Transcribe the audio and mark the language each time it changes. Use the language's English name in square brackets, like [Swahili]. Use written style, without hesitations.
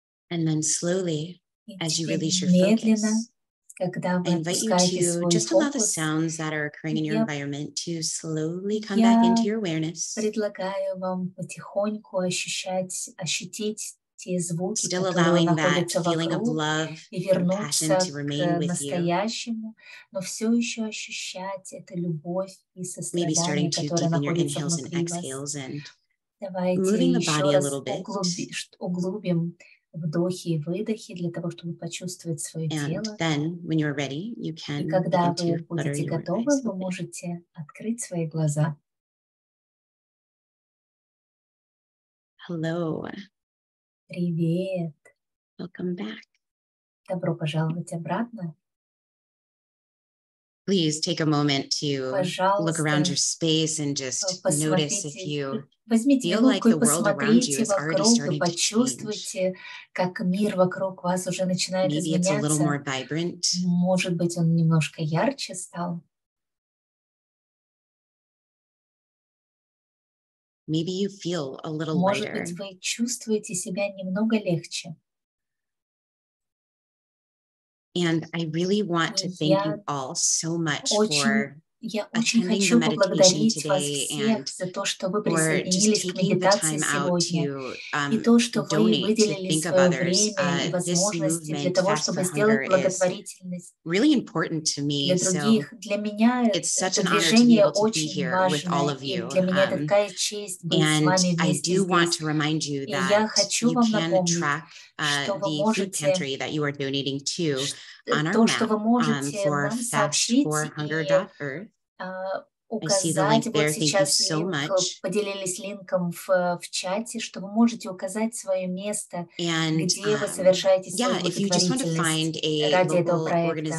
[English] And then slowly, as you release your focus, I invite you to just allow the sounds that are occurring in your environment to slowly come back into your awareness. [Russian] Предлагаю вам потихоньку ощутить те звуки, [English] still allowing that feeling of love and passion to remain with you. [Russian] Но все еще ощущать эту любовь и сострадание, [English] maybe starting to deepen your inhales and exhales and [Russian] давайте [English] moving the body a little bit. [Russian] Углубим вдохи и выдохи для того, чтобы почувствовать свое тело. [English] Ready, can, [Russian] и когда вы будете готовы, вы можете открыть свои глаза. [English] Hello. [Russian] Привет. [English] Welcome back. [Russian] Добро пожаловать обратно. [English] Please take a moment to look around your space and just notice if you feel like the world around you is already starting to change. [Russian] Как мир вокруг вас уже начинает изменяться. [English] Maybe it's a little more vibrant. [Russian] Может быть, он немножко ярче стал. [English] Maybe you feel a little lighter. [Russian] Может быть, вы чувствуете себя немного легче. [English] And I really want to thank you all so much for attending the meditation today and for just taking the time out to donate, to think of others. This movement, Fast for Hunger, is really important to me. So it's such an honor to be able to be here with all of you. And I do want to remind you that you can track the food pantry that you are donating to on our map for fastforhunger.earth. [Russian] указать. Вот сейчас линк, поделились линком в чате, что вы можете указать свое место, где вы совершаете свою благотворительность ради этого проекта.